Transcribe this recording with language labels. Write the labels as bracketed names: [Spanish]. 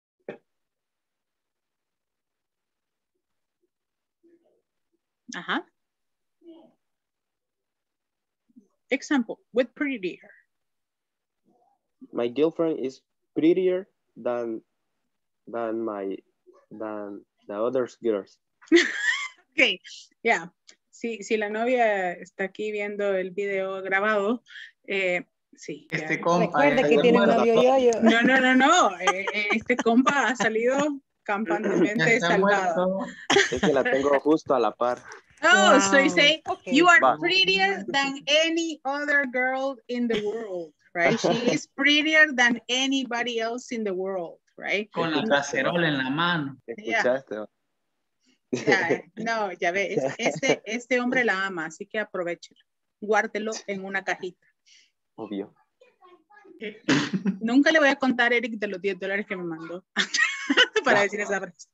[English] Uh-huh. Example with prettier. My girlfriend is prettier than the other girls. Okay, yeah. [Spanish] Si la novia está aquí viendo el video grabado, sí. Este ya. Compa. Recuerde que tiene un novio yo. No. Este compa ha salido campantemente salvado. Es que la tengo justo a la par. [English] Oh, wow. So you say, okay. You are prettier than any other girl in the world, right? She is prettier than anybody else in the world, right? [Spanish] Con la cacerola en la mano. Escuchaste, [English] yeah. [Spanish] Ya, no, ya ves, este hombre la ama, así que aprovechelo, guárdelo en una cajita. Obvio. Nunca le voy a contar a Eric de los $10 que me mandó para decir esa frase.